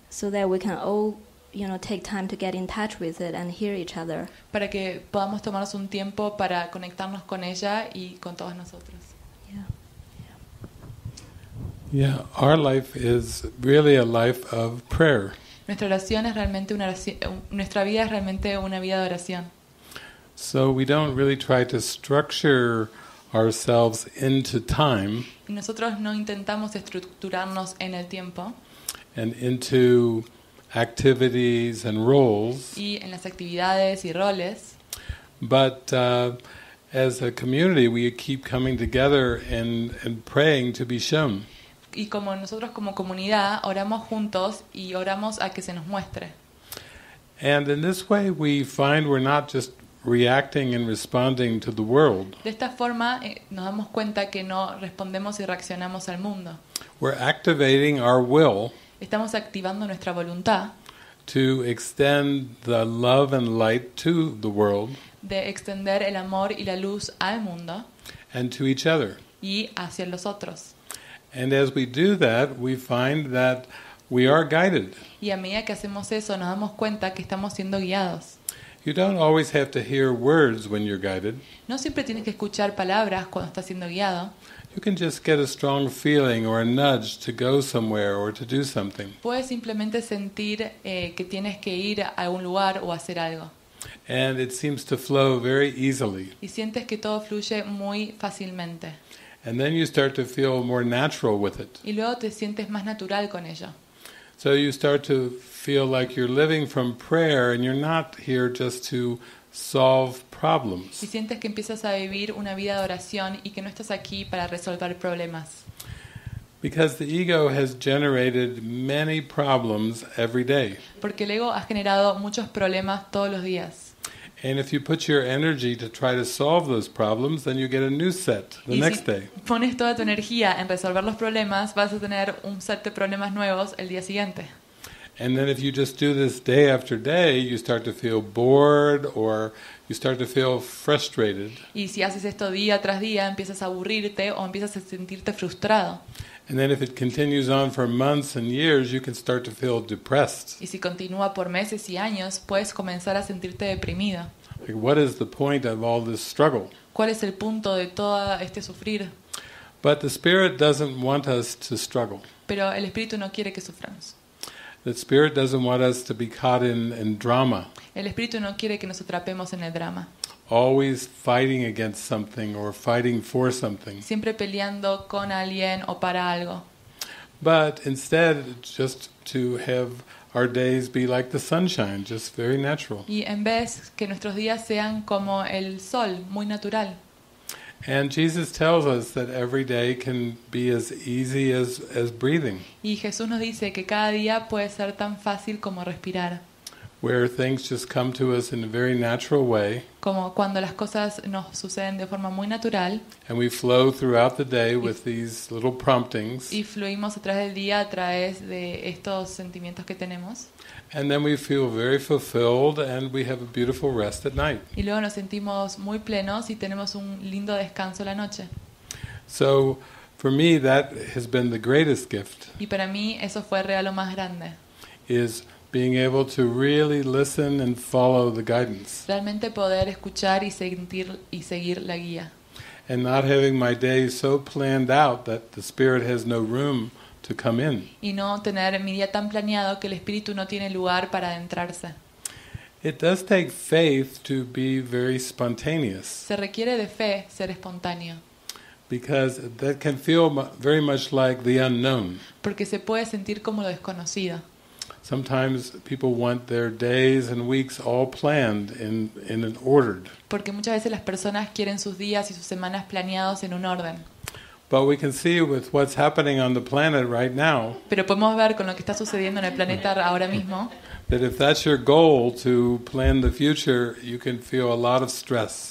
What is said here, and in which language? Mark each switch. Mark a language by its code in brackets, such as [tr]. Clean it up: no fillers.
[en] So that we can all, you know, take time to get in touch with it and hear each other. [es] Para que podamos tomarnos un tiempo para conectarnos con ella y con todos nosotros. [en] Yeah. Yeah. Yeah, our life is really a life of prayer. [es] Nuestra oración es realmente una oración, nuestra vida es realmente una vida de oración. [en] So we don't really try to structure ourselves into time. [es] Y nosotros no intentamos estructurarnos en el tiempo. [en] And into activities and roles. [es] Y en las actividades y roles. [en] But as a community, we keep coming together and praying to be shown. [es] Y como nosotros como comunidad oramos juntos y oramos a que se nos muestre. [en] And in this way, we find we're not just reacting and responding to the world. [es] De esta forma nos damos cuenta que no respondemos y reaccionamos al mundo. [en] We're activating our will. [es] Estamos activando nuestra voluntad. [en] To extend the love and light to the world. [es] De extender el amor y la luz al mundo. [en] And to each other. [es] Y hacia los otros. [en] And as we do that, we find that we are guided. [es] Y a medida que hacemos eso, nos damos cuenta que estamos siendo guiados. [en] You don't always have to hear words when you're guided. [es] No siempre tienes que escuchar palabras cuando estás siendo guiado. [en] You can just get a strong feeling or a nudge to go somewhere or to do something. [es] Puedes simplemente sentir que tienes que ir a algún lugar o hacer algo. [en] And it seems to flow very easily. [es] Y sientes que todo fluye muy fácilmente. [en] And then you start to feel more natural with it. [es] Y luego te sientes más natural con ello. [en] So you start to feel like you're living from prayer and you're not here just to solve problems. [es] Y sientes que empiezas a vivir una vida de oración y que no estás aquí para resolver problemas. [en] Because the ego has generated many problems every day. [es] Porque el ego ha generado muchos problemas todos los días. [en] And if you put your energy to try to solve those problems, then you get a new set the next day. [es] Y si pones toda tu energía en resolver los problemas, vas a tener un set de problemas nuevos el día siguiente. [en] And then if you just do this day after day, you start to feel bored or you start to feel frustrated. [es] Y si haces esto día tras día, empiezas a aburrirte o empiezas a sentirte frustrado. [en] And then if it continues on for months and years, you can start to feel depressed. [es] Y si continúa por meses y años, puedes comenzar a sentirte deprimido. [en] Like, what is the point of all this struggle? [es] ¿Cuál es el punto de todo este sufrir? [en] But the spirit doesn't want us to struggle. [es] Pero el espíritu no quiere que suframos. [en] The spirit doesn't want us to be caught in drama. [es] El espíritu no quiere que nos atrapemos en el drama. [en] Always fighting against something or fighting for something. [es] Siempre peleando con alguien o para algo. [en] But instead, just to have our days be like the sunshine, just very natural. [es] Y en vez que nuestros días sean como el sol, muy natural. [en] And Jesus tells us that every day can be as easy as breathing. [es] Y Jesús nos dice que cada día puede ser tan fácil como respirar. [en] Where things just come to us in a very natural way. [es] Como cuando las cosas nos suceden de forma muy natural. [en] And we flow throughout the day with these little promptings. [es] Y fluimos a través del día a través de estos sentimientos que tenemos. [en] And then we feel very fulfilled and we have a beautiful rest at night. [es] Y luego nos sentimos muy plenos y tenemos un lindo descanso la noche. [en] So for me that has been the greatest gift. [es] Y para mí eso fue el regalo más grande. [en] Is being able to really listen and follow the guidance. [es] Realmente poder escuchar y sentir y seguir la guía. [en] And not having my day so planned out that the spirit has no room to come in. [es] Y no tener mi día tan planeado que el espíritu no tiene lugar para adentrarse. [en] It does take faith to be very spontaneous. [es] Se requiere de fe ser espontáneo. [en] Because that can feel very much like the unknown. [es] Porque se puede sentir como lo desconocido. [en] Sometimes people want their days and weeks all planned in an ordered. [es] Porque muchas veces las personas quieren sus días y sus semanas planeados en un orden. [en] But we can see with what's happening on the planet right now. [es] Pero podemos ver con lo que está sucediendo en el planeta ahora mismo. [en] That if that's your goal to plan the future, you can feel a lot of stress.